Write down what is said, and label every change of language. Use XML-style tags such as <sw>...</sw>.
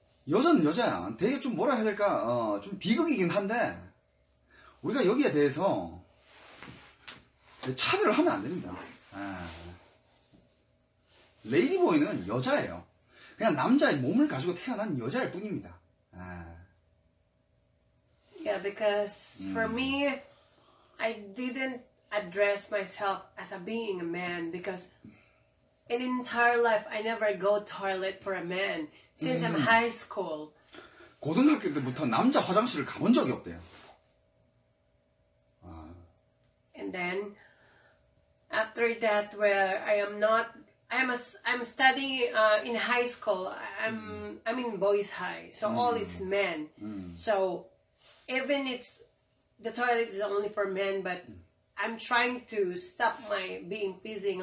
<ko>여자는 여자야. 되게 좀 뭐라 해야 될까? 좀 비극이긴 한데 우리가 여기에 대해서 차별을 하면 안 됩니다. 레이디보이는 여자예요. 그냥 남자의 몸을 가지고 태어난 여자일 뿐입니다.</ko> <en>Yeah, because for me, I didn't address myself as a being a man because in entire life, I never go toilet for a man since I'm high school.</en> <ko>고등학교 때부터 남자 화장실을 가본 적이 없대요.</ko> <en>And then after that, where I am not, I'm studying in high school. I'm in boys' high, so all is men. So even it's the toilet is only for men, but I'm trying to stop my being pissing.</en>